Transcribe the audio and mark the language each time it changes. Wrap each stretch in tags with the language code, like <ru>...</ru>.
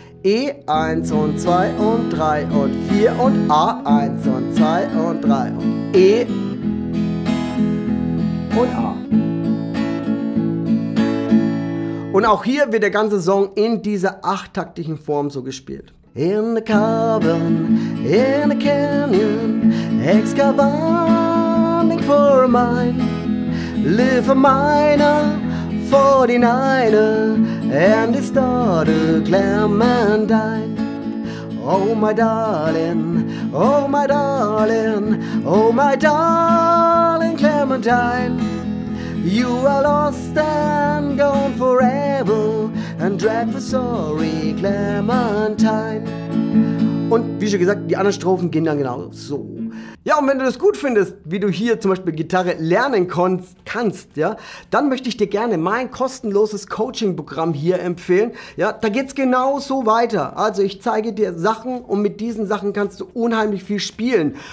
<de>E, 1 und 2 und 3 und 4 und A, 1 und 2 und 3 und E und A. Und auch hier wird der ganze Song in dieser achttaktigen Form so gespielt.</de> <en>In the cavern, in the canyon, excavating for a mine, live a miner, 49er, and his daughter Clementine. Oh my darling, oh my darling, oh my darling Clementine. You are lost and gone forever, and drag for sorry Clementine.</en> <de>Und wie schon gesagt, die anderen Strophen gehen dann genau so. Ja, und wenn du das gut findest, wie du hier zum Beispiel Gitarre lernen kannst, ja, dann möchte ich dir gerne mein kostenloses Coaching-Programm hier empfehlen. Ja, da geht's genau so weiter. Also ich zeige dir Sachen und mit diesen Sachen kannst du unheimlich viel spielen.</de>